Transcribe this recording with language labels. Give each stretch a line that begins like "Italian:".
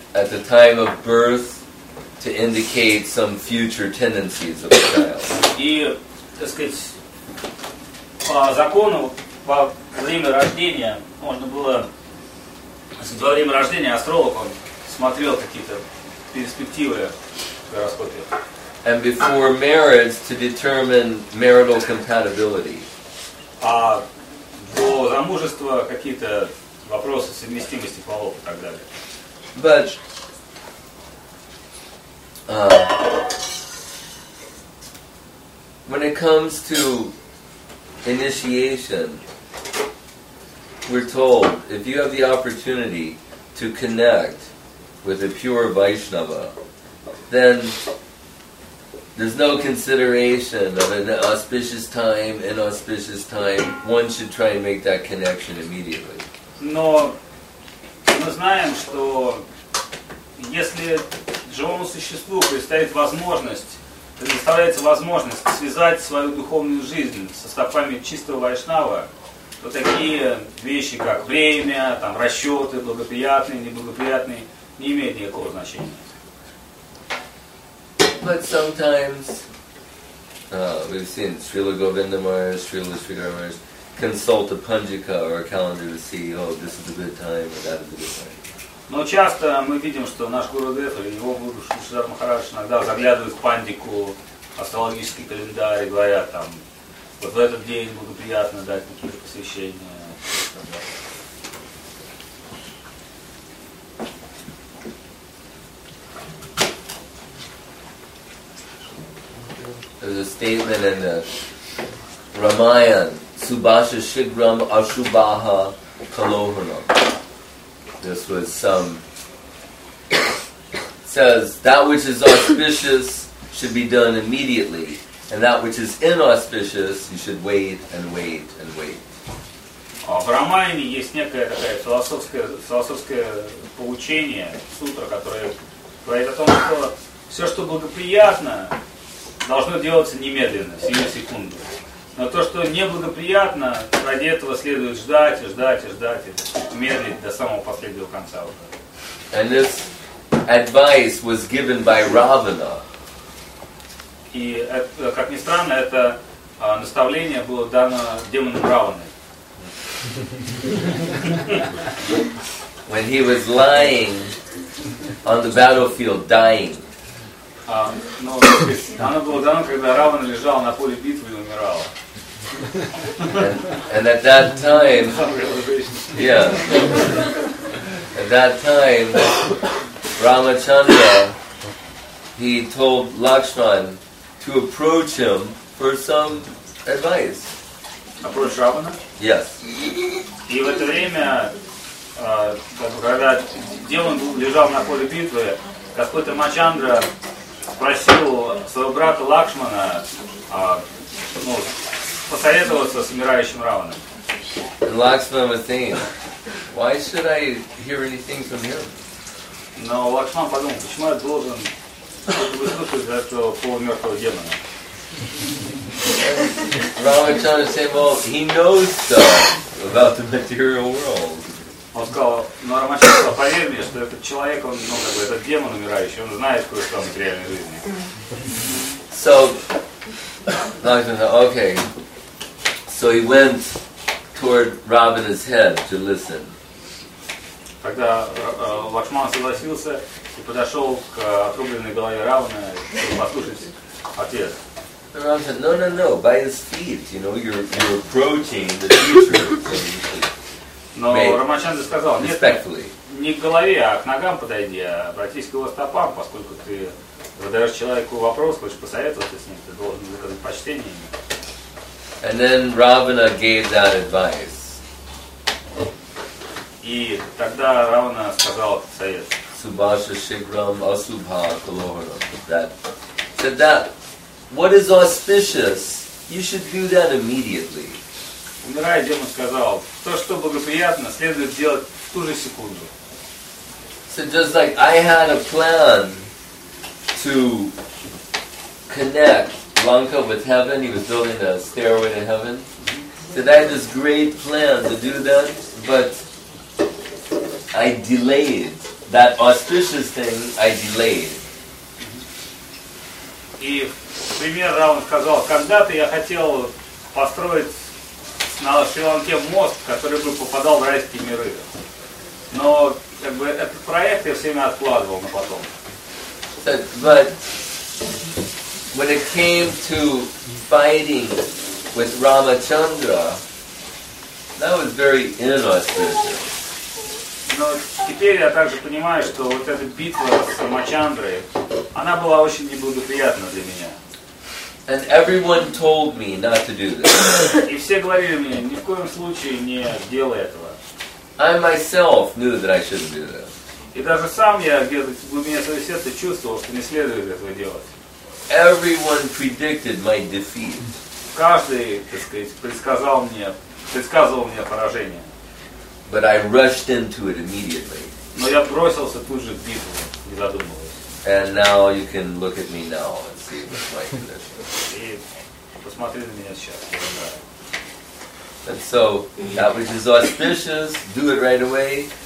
English: At the time of birth, to indicate some future tendencies of the child.
Russian: И, так сказать, по закону, во время рождения, можно было, во время рождения астролог, он смотрел какие-то перспективы в гороскопе.
English: And before marriage, to determine marital compatibility.
Russian: А до замужества какие-то вопросы совместимости полов и так далее.
English: But when it comes to initiation, we're told if you have the opportunity to connect with a pure Vaishnava, then there's no consideration of an auspicious time, inauspicious time. One should try and make that connection immediately.
Russian: Но мы знаем, что если живому существу предстоит возможность предоставляется возможность связать свою духовную жизнь со стопами чистого вайшнава, то такие вещи, как время, там, расчеты, благоприятные, неблагоприятные, не имеют никакого значения.
English: But sometimes we've seen Srila Govinda Maharaj, Srila Sridhar Maharaj consult a panjika or a calendar to see, oh, this is a good time or that is a good time.
Russian: Но часто мы видим, что наш Гурудев или его Гуру Шридхар Махарадж иногда заглядывают в пандику, астрологический календарь и говорят там, вот в этот день буду приятно дать какие-то посвящения.
English: There's a statement in the Ramayana,
Sanskrit: Subhasha Shigram Ashubaha Kalohanam.
English: This was some, says, that which is auspicious should be done immediately, and that which is inauspicious, you should wait and wait and wait.
Russian: В Рамайне есть некое такое философское поучение, сутра, которое говорит о том, что все, что благоприятно, должно делаться немедленно, сию секунду. Но то, что неблагоприятно, ради этого следует ждать и ждать и ждать, и медлить до самого последнего конца.
English: And this advice was given by Ravana.
Russian: И, как ни странно, это наставление было дано демоном Раваны.
English: When he was lying on the battlefield, dying.
Russian: Оно было дано, когда Равана лежал на поле битвы и умирал.
English: And at that time, yeah, at that time, Ramachandra, he told Lakshman to approach him for some advice. Approach Ravana? Yes.
Russian: И в это время, когда демон лежал на поле битвы, Господь Рамачандра спросил своего брата Лакшмана, ну, посоветоваться с умирающим Раваном.
English: And Lakshman was thinking, why should I hear anything from him?
Russian: Но Лакшман подумал, почему я должен выслушать этого полумертвого демона?
English: Рамачандра said, well, he knows stuff about the material world.
Russian: Он сказал, но Рамачандра сказал, поверь мне, что этот человек, он, ну, как бы, этот демон умирающий, он знает кое-что о материальной жизни.
English: So, Lakshman said, okay. So he went toward Ravana's head to listen.
Russian: Тогда Лакшман согласился и подошел к отрубленной голове Равана, чтобы послушать ответ.
English: Ravana said, no, no, no, by his feet, you know, you're approaching the teacher.
Russian: Но Рамачандра сказал, нет, не к голове, а к ногам подойди, а обратись к его стопам, поскольку ты задаешь человеку вопрос, хочешь посоветоваться с ним, ты должен выказать почтение ему.
English: And then Ravana gave that advice.
Russian: И тогда Равана сказал совет.
Sanskrit: Subhasha Shigram Asubha Kalohanam.
English: That said that what is auspicious, you should do that immediately.
Russian: Умирая демон сказал, то, что благоприятно, следует делать в ту же секунду.
English: So just like I had a plan to connect Lanka with heaven, he was building a stairway to heaven. So I had this great plan to do that, but I delayed. That auspicious thing, I delayed.
Russian: И пример Равана сказал, когда-то я хотел построить на Шри-Ланке мост, который бы попадал в райские миры. Но как бы этот проект я все время откладывал на потом.
English: But when it came to fighting with Ramachandra, that was very inauspicious.
Russian: Но теперь я также понимаю, что вот эта битва с Рамачандрой, она была очень неблагоприятна для меня.
English: And everyone told me not to do this.
Russian: И все говорили мне, ни в коем случае не делай этого.
English: I myself knew that I shouldn't do this.
Russian: И даже сам я где-то в глубине своего сердца чувствовал, что не следует этого делать.
English: Everyone predicted my defeat.
Russian: Каждый, так сказать, предсказывал мне поражение.
English: But I rushed into it immediately.
Russian: Но я бросился тут же в битву, не задумываясь.
English: And now you can look at me now. It's see the flight conditions. And so, that which is auspicious, do it right away.